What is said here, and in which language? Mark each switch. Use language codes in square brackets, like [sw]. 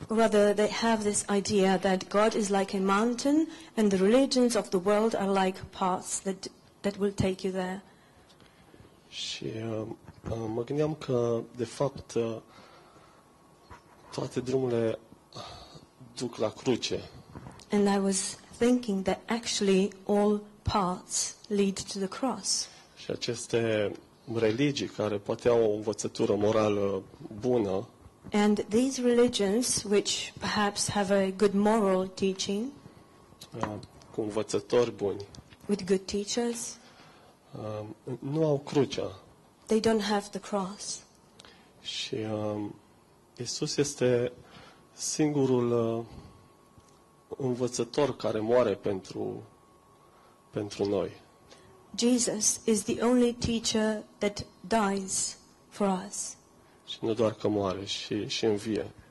[en] Rather, they have this idea that God is like a mountain and the religions of the world are like paths that will take you there. [ro] Și mă gândeam că de fapt toate drumurile duc la cruce. [en] And I was thinking that actually all paths lead to the cross. [ro] Și aceste religii care poate au o învățătură morală bună. [en] And these religions which perhaps have a good moral teaching. [ro] Cu învățători buni. [en] With good teachers. [ro] Nu au crucea. [en] They don't have the cross. [ro] Și Iisus este singurul învățător care moare pentru noi. [en] Jesus is the only teacher that dies for us. [ro] Și nu doar că moare, și învie.